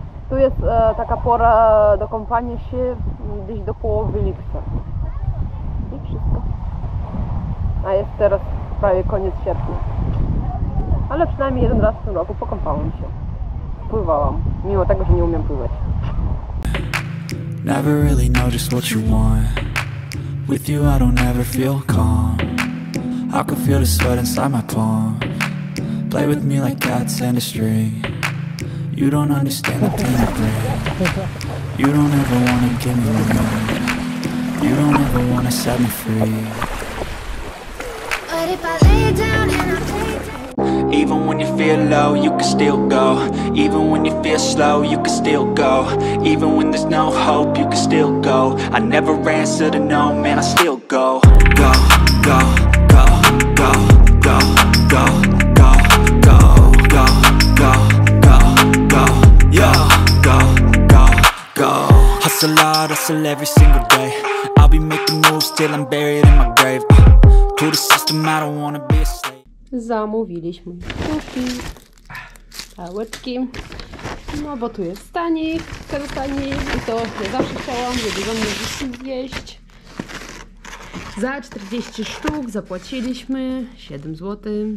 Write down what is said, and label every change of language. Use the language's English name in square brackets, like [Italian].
[Polish] Tu jest taka pora do kąpania się, gdzieś do połowy lipca. I wszystko. A jest teraz prawie koniec sierpnia. Ale przynajmniej jeden raz w tym roku pokąpałam się. Pływałam, mimo tego, że nie umiem pływać. [English] Never really know just what you want. With you I don't ever feel calm. I could feel the sweat inside my palms. Play with me like cats and a string. You don't understand the pain it brings. You don't ever wanna give me a ring. You don't ever wanna set me free. But if I lay down and I play down. Even when you feel low, you can still go. Even when you feel slow, you can still go. Even when there's no hope, you can still go. I never answer to no, man, I still go. Go, go, go, go, go, go, go, go, go, go, go, go, yo, go, go, go. Hustle hard, hustle every single day. I'll be making moves till I'm buried in my grave. To the system, I don't wanna be a slave. [Polish] Zamówiliśmy kuki, pałeczki, no bo tu jest stanik, kartani i to ja zawsze chciałam, żeby za mnie coś zjeść. Za 40 sztuk zapłaciliśmy 7 zł.